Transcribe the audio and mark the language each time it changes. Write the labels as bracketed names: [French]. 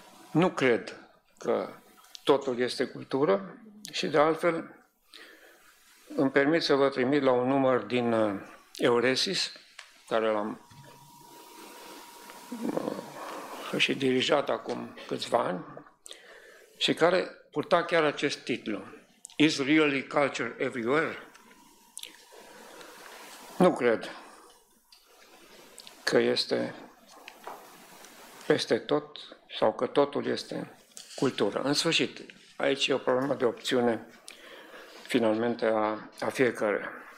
[Romanian] Nu cred că totul este cultură și de altfel îmi permit să vă trimit la un număr din Euresis, care l-am și dirijat acum câțiva ani și care purta chiar acest titlu. [English] Is really culture everywhere? [Romanian] Nu cred că este peste tot sau că totul este cultură. În sfârșit, aici e o problemă de opțiune finalmente a fiecare.